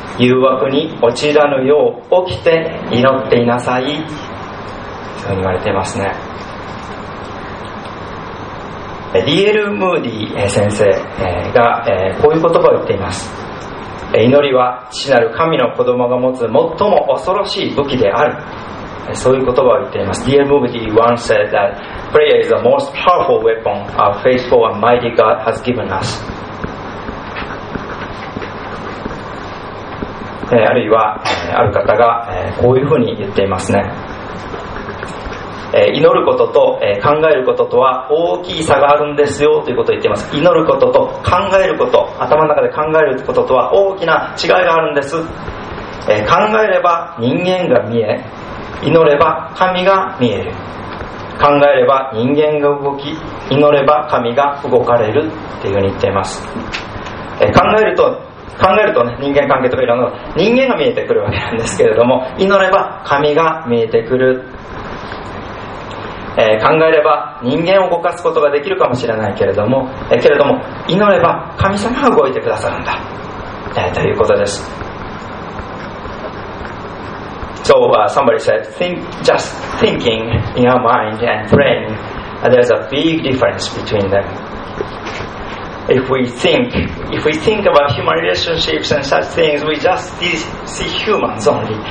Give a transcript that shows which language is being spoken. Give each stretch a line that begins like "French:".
Japanese: 誘惑に陥らぬよう起きて祈っていなさい。そう言われていますね。 D.L. ムーディ先生がこういう言葉を言っています。祈りは父なる神の子供が持つ最も恐ろしい武器である。そういう言葉を言っています。
English: D.L. ムーディ once said that prayer is the most powerful weapon our faithful and mighty God has given us.
Japanese: あるいはある方がこういうふうに言っていますね。祈ることと考えることとは大きい差があるんですよということを言っています。祈ることと考えること、頭の中で考えることとは大きな違いがあるんです。考えれば人間が見え、祈れば神が見える。考えれば人間が動き、祈れば神が動かれるっていうふうに言っています。考えると、ね、人間関係とかいろんな人間が見えてくるわけなんですけれども、祈れば神が見えてくる。考えれば人間を動かすことができるかもしれないけれども、祈れば神様が動いてくださるんだ、ということです。
English: So, somebody said, just thinking in our mind and praying, there's a big difference between them. If we think about human relationships and such things, we just see humans only.